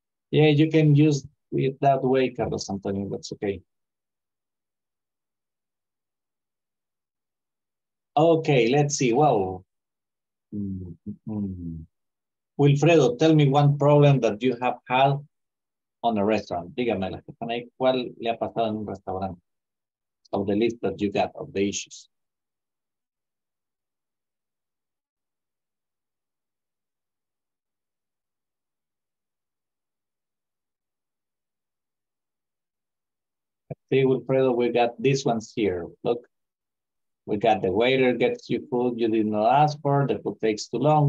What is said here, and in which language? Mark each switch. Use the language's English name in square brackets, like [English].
[English] Yeah, you can use it that way, Carlos Antonio, that's okay. Okay, let's see. Well, Wilfredo, tell me one problem that you have had on a restaurant. [Spanish] Dígame, ¿cuál le ha pasado en un restaurante? [English] Of the list that you got of the issues. See, Wilfredo, we got these ones here. Look. We got the waiter gets you food you did not ask for, the food takes too long.